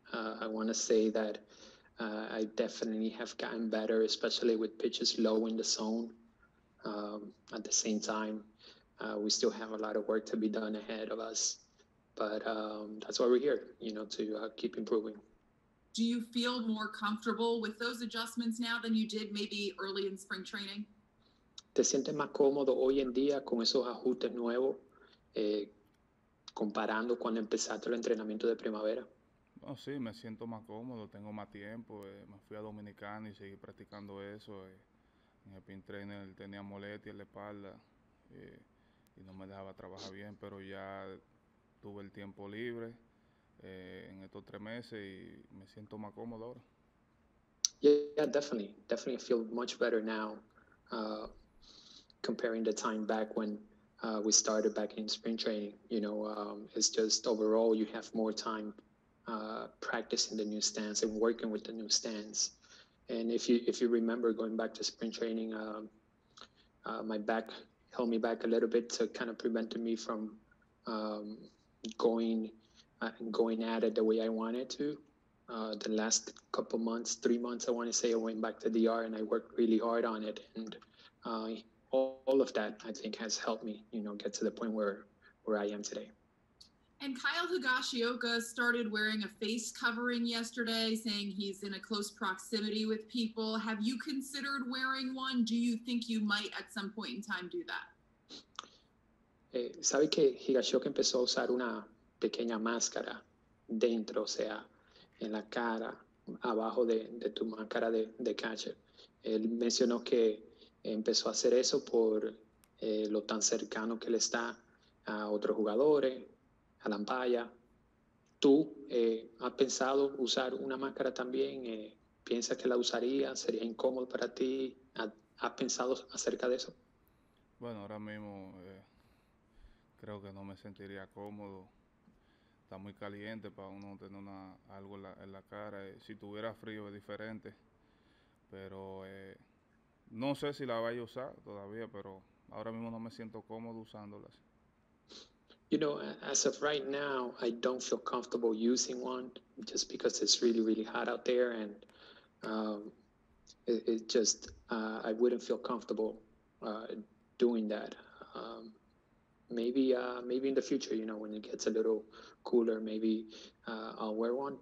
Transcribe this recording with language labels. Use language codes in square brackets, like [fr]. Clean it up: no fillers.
[en] I want to say that I definitely have gotten better, especially with pitches low in the zone. At the same time, we still have a lot of work to be done ahead of us, but that's why we're here, to keep improving. Do you feel more comfortable with those adjustments now than you did maybe early in spring training? [es] ¿Te sientes más cómodo hoy en día con esos ajustes nuevos? Comparando cuando empezaste el entrenamiento de primavera. Oh, sí, me siento más cómodo, tengo más tiempo. Me fui a Dominicana y seguí practicando eso. En el pin trainer tenía molestia en la espalda y no me dejaba trabajar bien, pero ya tuve el tiempo libre en estos 3 meses y me siento más cómodo ahora. [en] Yeah, definitely. Definitely feel much better now, comparing the time back when we started back in spring training. It's just overall you have more time practicing the new stance and working with the new stance. And if you remember going back to spring training, my back held me back a little bit to kind of prevented me from going at it the way I wanted to. The last couple months, 3 months, I want to say, I went back to DR and I worked really hard on it. And all of that, I think, has helped me, get to the point where I am today. And Kyle Higashioka started wearing a face covering yesterday, saying he's in a close proximity with people. Have you considered wearing one? Do you think you might at some point in time do that? [es] ¿Sabe que Higashioka empezó a usar una pequeña máscara dentro, o sea, en la cara, abajo de tu máscara de catcher? Él mencionó que empezó a hacer eso por lo tan cercano que él está a otros jugadores, a la ampaya. ¿Tú has pensado usar una máscara también? ¿Piensas que la usarías? ¿Sería incómodo para ti? ¿Has pensado acerca de eso? Bueno, ahora mismo creo que no me sentiría cómodo. Está muy caliente para uno tener algo en la cara. Si tuviera frío es diferente. Pero no sé si la vaya a usar todavía, pero ahora mismo no me siento cómodo usándolas. [en] As of right now, I don't feel comfortable using one just because it's really, really hot out there, and it just I wouldn't feel comfortable doing that. Maybe in the future, when it gets a little cooler, maybe I'll wear one.